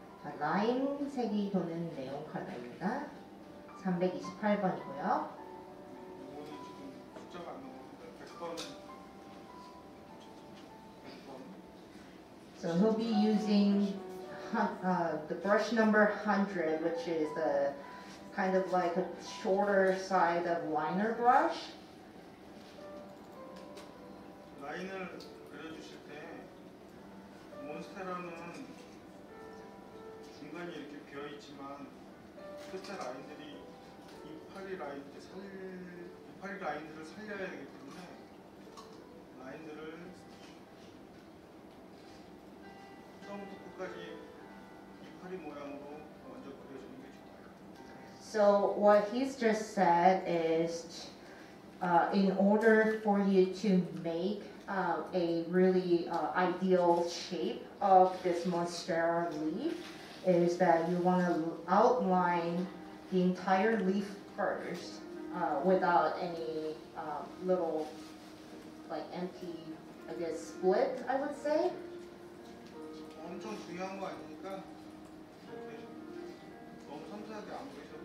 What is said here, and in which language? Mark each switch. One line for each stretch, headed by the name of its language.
Korean: 자, 라임색이 도는 네온 컬러입니다. 328번이고요. 이거는 지금 숫자가 안 나오는데 100번.
English: So he'll be using the brush number 100 which is the kind of like a shorter side of liner brush.
Korean: 라인을 그려주실 때 몬스테라는 중간이 이렇게 비어 있지만 끝에 라인들이 이파리 라인 때 이파리 라인들을 살려야 되기 때문에 라인들을 처음부터 끝까지 이파리 모양으로 먼저 그려줍니다.
English: So what he's just said is in order for you to make a really ideal shape of this monstera leaf is that you want to outline the entire leaf first without any little like empty, I guess, split, I would say.
Korean: 엄청 중요한 거 아니니까 너무 섬세하게 안